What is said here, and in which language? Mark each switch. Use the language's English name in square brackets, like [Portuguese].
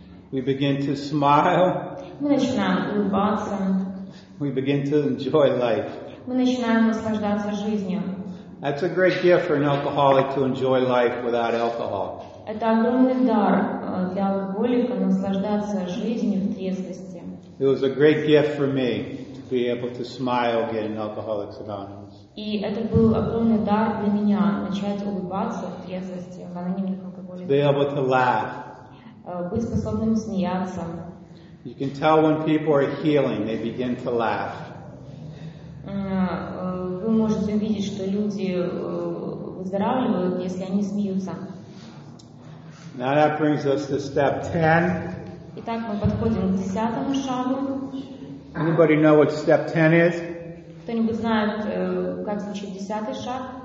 [English] We begin to smile. [Russian] Мы начинаем улыбаться. [English] We begin to enjoy life. [Russian] Мы начинаем наслаждаться жизнью. [English] That's a great gift for an alcoholic to enjoy life without alcohol. [Russian] Это огромный дар для алкоголика наслаждаться жизнью в трезвости. [English] It was a great gift for me to be able to smile again in Alcoholics Anonymous. [Russian] И это был огромный дар для меня начать улыбаться в трезвости в анонимных алкоголиках. [English] To be able to laugh. [Russian] Быть способным смеяться. [English] You can tell when people are healing, they begin to laugh. [Russian] Вы можете увидеть, что люди выздоравливают, если они смеются. [English] Now that brings us to step 10. [Russian] Итак, мы подходим к десятому шагу. [English] Anybody know what step 10 is? [Russian] Кто-нибудь знает, как звучит десятый шаг?